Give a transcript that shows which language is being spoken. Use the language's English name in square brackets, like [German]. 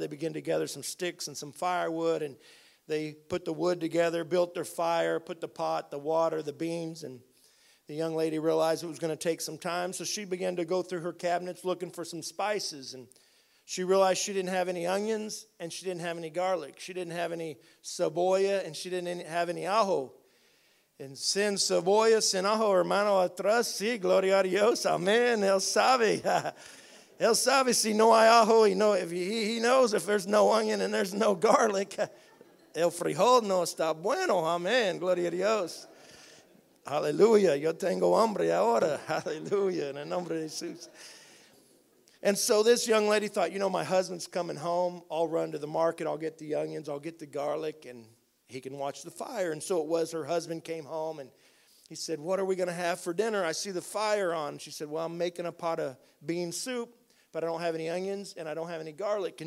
[English] They began to gather some sticks and some firewood. And they put the wood together, built their fire, put the pot, the water, the beans. And the young lady realized it was going to take some time. So she began to go through her cabinets looking for some spices. And she realized she didn't have any onions and she didn't have any garlic. She didn't have any cebolla and she didn't have any ajo. [Spanish] And sin cebolla, sin ajo, hermano, atrás, sí, gloria a Dios, amén, él sabe. Él sabe si no hay ajo, [English] he knows if there's no onion and there's no garlic. [Spanish] El frijol no está bueno, amén, gloria a Dios. Hallelujah, yo tengo hambre ahora, hallelujah, en el nombre de Jesús. [English] And so this young lady thought, you know, my husband's coming home, I'll run to the market, I'll get the onions, I'll get the garlic, and he can watch the fire. And so it was, her husband came home and he said, what are we going to have for dinner? I see the fire on. She said, well, I'm making a pot of bean soup, but I don't have any onions and I don't have any garlic.